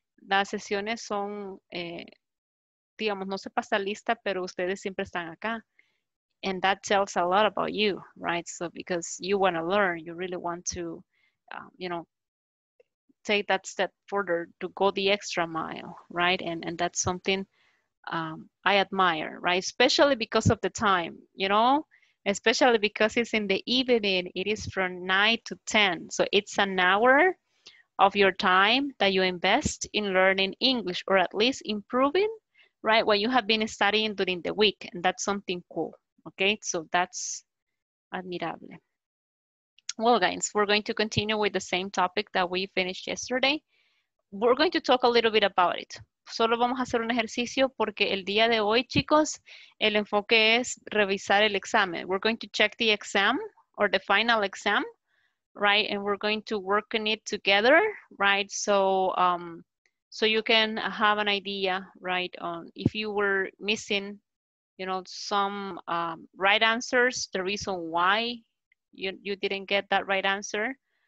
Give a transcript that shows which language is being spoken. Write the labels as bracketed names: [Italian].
[Spanish] Las sesiones son, digamos, no se pasa lista, pero ustedes siempre están acá. [English] And that tells a lot about you, right? So because you want to learn, you really want to, you know, take that step further to go the extra mile, right? And that's something I admire, right? Especially because of the time, you know? Especially because it's in the evening, it is from 9 to 10. So it's an hour of your time that you invest in learning English or at least improving, right? What you have been studying during the week. And that's something cool. Okay, so that's admirable. Well, guys, we're going to continue with the same topic that we finished yesterday. We're going to talk a little bit about it. [Spanish] Solo vamos a hacer un ejercicio porque el día de hoy, chicos, el enfoque es revisar el examen. [English] We're going to check the exam or the final exam, right? And we're going to work on it together, right? So, so you can have an idea, right, on if you were missing, you know, some right answers, the reason why you didn't get that right answer.